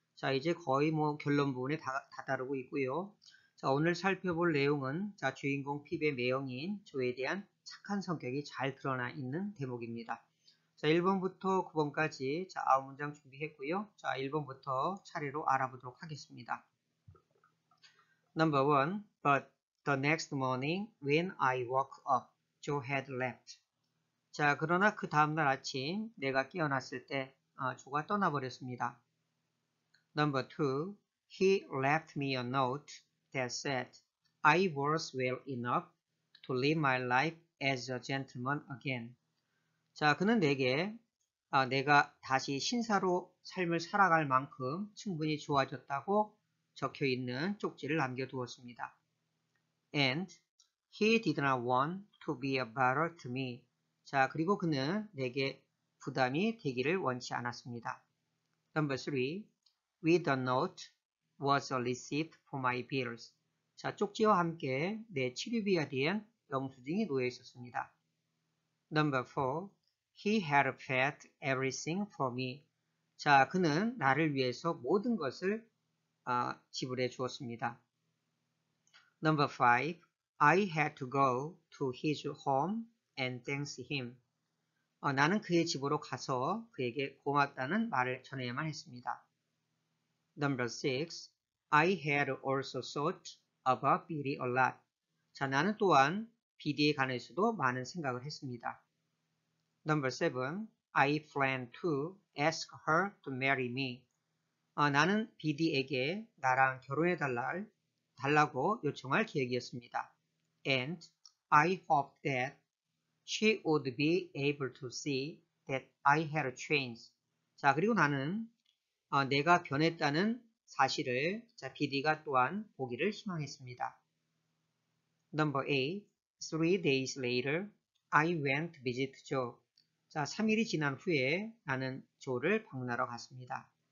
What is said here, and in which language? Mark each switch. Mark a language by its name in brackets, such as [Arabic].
[Korean] 자, 이제 거의 뭐 결론 부분에 다다르고 있고요. 자, 오늘 살펴볼 내용은 자, 주인공 핍의 매형인 조에 대한 착한 성격이 잘 드러나 있는 대목입니다. 자, 1번부터 9번까지 자, 9문장 준비했고요. 자, 1번부터 차례로 알아보도록 하겠습니다. [English] Number 1. But the next morning when I woke up, Joe had left. [Korean] 자, 그러나 그 다음날 아침 내가 깨어났을 때 조가 떠나버렸습니다. [English] Number 2. He left me a note that said I was well enough to live my life as a gentleman again. [Korean] 자, 그는 내게 내가 다시 신사로 삶을 살아갈 만큼 충분히 좋아졌다고 적혀 있는 쪽지를 남겨두었습니다. [English] And he did not want to be a bother to me. [Korean] 자, 그리고 그는 내게 부담이 되기를 원치 않았습니다. [English] Number 3. With the note was a receipt for my bills. [Korean] 자, 쪽지와 함께 내 치료비에 대한 영수증이 놓여 있었습니다. [English] Number 4. He had paid everything for me. [Korean] 자, 그는 나를 위해서 모든 것을 지불해 주었습니다. [English] Number 5. I had to go to his home and thanks him. [Korean] 나는 그의 집으로 가서 그에게 고맙다는 말을 전해야만 했습니다. [English] Number 6. I had also thought about Billy a lot. [Korean] 자, 나는 또한 비디에 관해서도 많은 생각을 했습니다. [English] Number 7. I planned to ask her to marry me. [Korean] 나는 비디에게 나랑 결혼해 달라고 요청할 계획이었습니다. [English] And I hope that She would be able to see that I had changed. [Korean] 자, 그리고 나는 내가 변했다는 사실을 자, 비디가 또한 보기를 희망했습니다. [English] Number 8. 3 days later, I went to visit Joe. [Korean] 자, 3일이 지난 후에 나는 조를 방문하러 갔습니다.